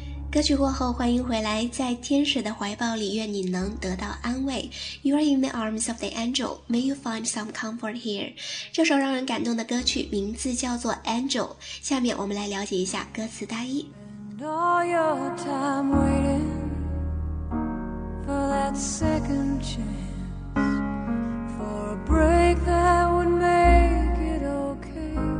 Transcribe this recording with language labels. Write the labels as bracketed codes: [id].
[zh] 歌曲过后，欢迎回来，在天使的怀抱里，愿你能得到安慰。 [en] You are in the arms of the angel, may you find some comfort here. [zh] 这首让人感动的歌曲名字叫做 Angel。下面我们来了解一下歌词大意。 [en] And all your time waiting for that second chance, for a break that would make it okay.